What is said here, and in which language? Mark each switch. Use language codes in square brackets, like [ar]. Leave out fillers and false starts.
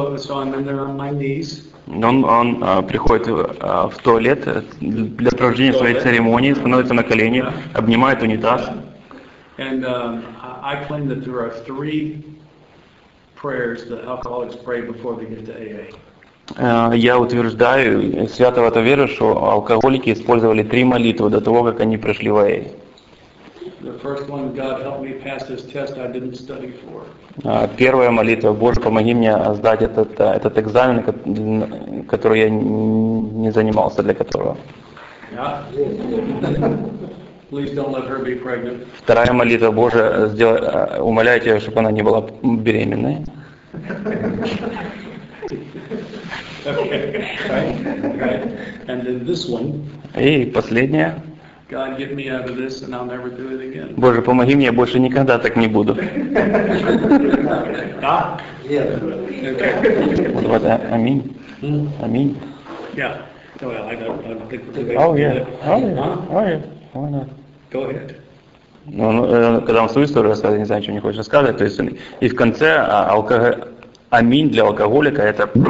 [ru] Он приходит в туалет для проведения своей церемонии, становится на колени, обнимает унитаз. [en] And I claim that there are three prayers that alcoholics pray before they get to AA. [ru] Я утверждаю, свято в это верю, что алкоголики использовали три молитвы до того, как они пришли в AA. [en] The first one, God help me pass this test I didn't study for. [ru] Первая молитва, Боже, помоги мне сдать этот экзамен, который я не занимался для которого. [en] Please don't let her be pregnant. [ru] Вторая молитва, Боже, умоляю тебя, чтобы она не была беременной. [en] Okay. Right. And then this one. [ru] И последняя. [en] God, get me out of this, and I'll never do it again. [ru] Боже, помоги мне, я больше никогда так не буду. Да? Нет. Вот это. Аминь. Аминь. [en] Yeah. Well, Oh yeah. Go ahead. [ru] Ну, когда он свою историю рассказывает, не знаю, что не хочет рассказывать. То есть, и в конце аминь для алкоголика это.